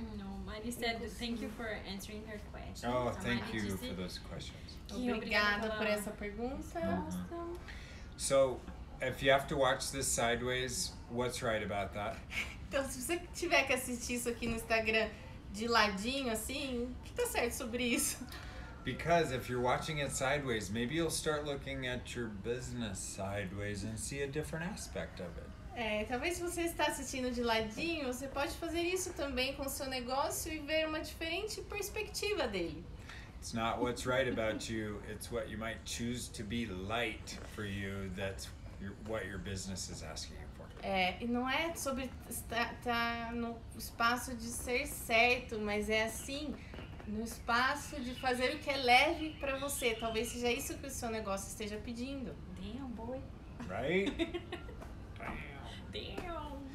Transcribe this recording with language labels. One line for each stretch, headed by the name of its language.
English: No, Mari said, thank you for answering her question. Oh, thank you for those questions.
Portuguese: Obrigada por essa pergunta.
English: So, if you have to watch this sideways, what's right about that?
Portuguese: Então, se você tiver que assistir isso aqui no Instagram de ladinho, assim, o que tá certo sobre isso?
English: Because if you're watching it sideways, maybe you'll start looking at your business sideways and see a different aspect of it.
Portuguese: É, talvez se você está assistindo de ladinho, você pode fazer isso também com o seu negócio e ver uma diferente perspectiva dele.
English: It's not what's right about you, it's what you might choose to be light for you, that's what your business is asking you for.
Portuguese: É, e não é sobre estar no espaço de ser certo, mas é assim, no espaço de fazer o que é leve para você. Talvez seja isso que o seu negócio esteja pedindo.
English: Damn, boy. Right? Damn.